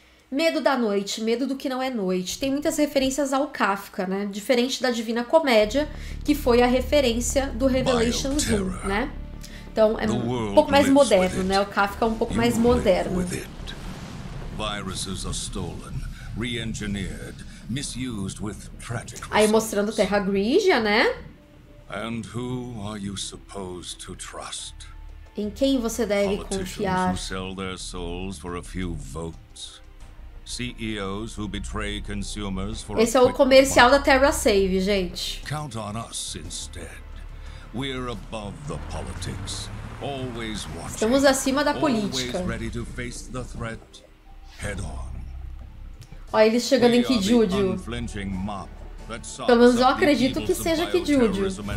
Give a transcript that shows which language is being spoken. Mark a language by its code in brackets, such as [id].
[pt] Medo da noite, medo do que não é noite. Tem muitas referências ao Kafka, né? Diferente da Divina Comédia, que foi a referência do Revelations 1, né? Então, é um pouco mais moderno, né? O Kafka é um pouco mais moderno. [en] Viruses are stolen, re-engineered, misused with tragic results. [pt] Aí, mostrando Terra Grigia, né? [en] And who are you supposed to trust? [pt] Em quem você deve confiar? [en] Politicians who sell their souls for a few votes. CEOs who betray consumers for a quick buck. [pt] Esse é o comercial da Terra Safe, gente. [en] Count on us instead. We're above the politics. Always watching. [pt] Estamos acima da política. [en] Always ready to face the threat head on. [pt] Olha eles chegando em Kijuju. [en] Unflinching mob. [pt] Pelo menos eu acredito que seja que Júlio.